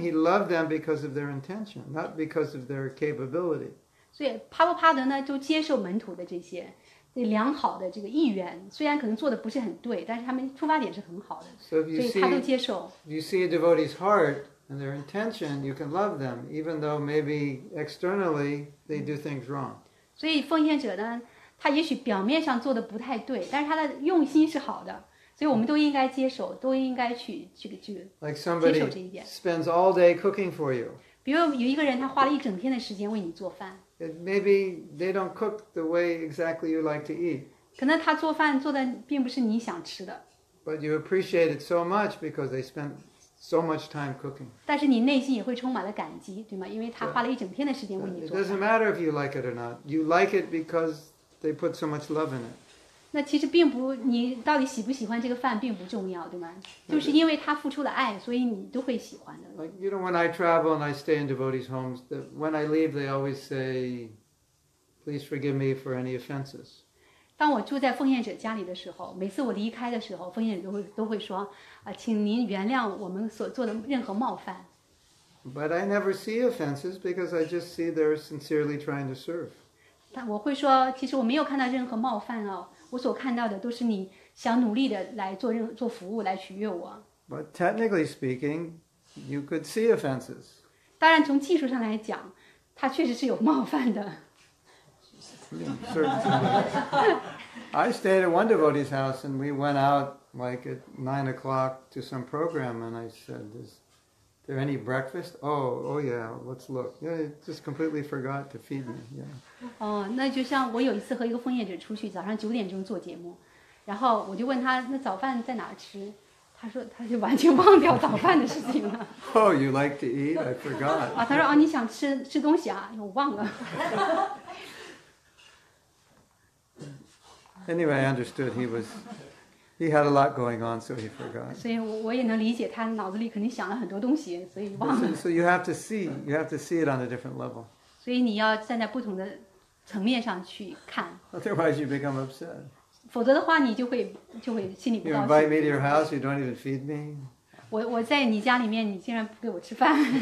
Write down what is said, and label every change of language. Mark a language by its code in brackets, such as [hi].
[en] He loved them because of their intention, not because of their capability. [zh] 所以帕布帕德呢，就接受门徒的这些良好的这个意愿，虽然可能做的不是很对，但是他们出发点是很好的，所以他都接受。 [en] If you see a devotee's heart and their intention, you can love them, even though maybe externally they do things wrong. [zh] 所以奉献者呢，他也许表面上做的不太对，但是他的用心是好的。所以我们都应该接受，都应该去接受这一点。 [en] Like somebody spends all day cooking for you. [zh] 比如有一个人，他花了一整天的时间为你做饭。 [en] Maybe they don't cook the way exactly you like to eat. [zh] 可能他做饭做的并不是你想吃的。 [en] But you appreciate it so much because they spent so much time cooking. [zh] 但是你内心也会充满了感激，对吗？因为他花了一整天的时间为你做饭。 [en] It doesn't matter if you like it or not. You like it because they put so much love in it. [zh] 那其实并不，你到底喜不喜欢这个饭并不重要，对吗？就是因为他付出了爱，所以你都会喜欢的。 [en] Like, you know, when I travel and I stay in devotees' homes, that when I leave, they always say, "Please forgive me for any offenses." [zh] 当我住在奉献者家里的时候，每次我离开的时候，奉献者都会说，啊，请您原谅我们所做的任何冒犯。 [en] But I never see offenses because I just see they're sincerely trying to serve. [zh] 但我会说，其实我没有看到任何冒犯哦。我所看到的都是你想努力的来 做服务来取悦我。 [en] But technically speaking, you could see offenses. [zh] 当然从技术上来讲，它确实是有冒犯的。 [en] I stayed at one devotee's house and we went out like at 9 o'clock to some program and I said, is there any breakfast? Oh yeah, let's look. Yeah, it just completely forgot to feed me, yeah. [zh] 哦，那就像我有一次和一个奉献者出去，早上9点做节目，然后我就问他那早饭在哪儿吃，他说他就完全忘掉早饭的事情了。 [en] Oh, you like to eat? I forgot. [zh] 啊，他说啊，你想吃东西啊？我忘了。 [en] Anyway, I understood he was He had a lot going on, so he forgot. [zh] 所以我也能理解他脑子里肯定想了很多东西，所以忘了。 [en] So you have to see, you have to see it on a different level. [zh] 所以你要站在不同的层面上去看。 [en] Otherwise, you become upset. [zh] 否则的话，你就会心里不高兴。 [en] You invite me to your house, you don't even feed me. [zh] 我在你家里面，你竟然不给我吃饭。